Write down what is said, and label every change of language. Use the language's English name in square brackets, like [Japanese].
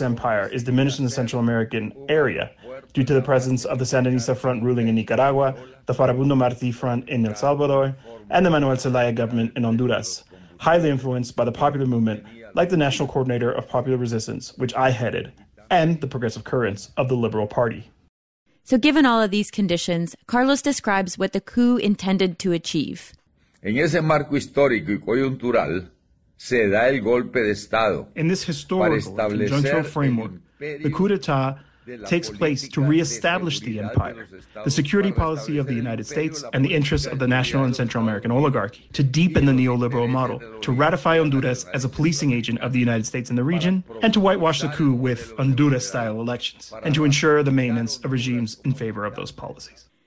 [English] empire is diminished in the Central American area due to the presence of the Sandinista Front ruling in Nicaragua, the Farabundo Martí Front in El Salvador, and the Manuel Zelaya government in Honduras, highly influenced by the popular movement like the National Coordinator of Popular Resistance, which I headed, and the progressive currents of the Liberal Party. So given all of these conditions, Carlos describes what the coup intended to achieve. [Spanish] En ese marco histórico y coyuntural, se da el golpe de Estado. [English] In this historical conjuncture framework, the coup d'etat takes place to reestablish the empire, the security policy of the United States, and the interests of the National and Central American oligarchy, to deepen the neoliberal model, to ratify Honduras as a policing agent of the United States in the region, and to whitewash the coup with Honduras-style elections, and to ensure the maintenance of regimes in favor of those policies.